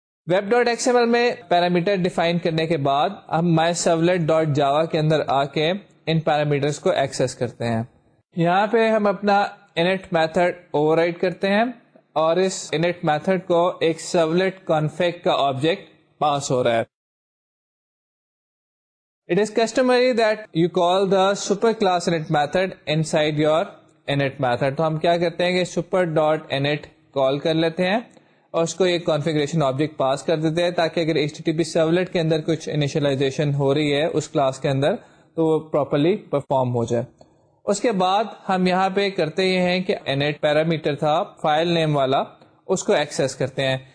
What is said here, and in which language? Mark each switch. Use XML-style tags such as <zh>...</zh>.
<ur>Web dot x M L میں parameter define کرنے کے بعد ہم مائی سرولیٹ ڈاٹ جاوا کے اندر آ کے ان پیرامیٹرس کو ایکسیس کرتے ہیں. یہاں پہ ہم اپنا انٹ میتھڈ اوور رائڈ کرتے ہیں اور اس انٹ میتھڈ کو ایک سرولیٹ کانفیگ کا آبجیکٹ پاس ہو رہا ہے.</ur> <en>It is customary that you call the super class init method inside your init method.</en> <ur>تو ہم کیا کرتے ہیں کہ سپر ڈاٹ انٹ کال کر لیتے ہیں اور اس کو یہ کانفیگریشن آبجیکٹ پاس کر دیتے ہیں تاکہ اگر H T T P servlet کے اندر کچھ انیشلائزیشن ہو رہی ہے اس کلاس کے اندر تو وہ پراپرلی پرفارم ہو جائے. اس کے بعد ہم یہاں پہ کرتے یہ ہیں کہ انٹ پیرامیٹر تھا فائل نیم والا, اس کو ایکسیس کرتے ہیں.</ur>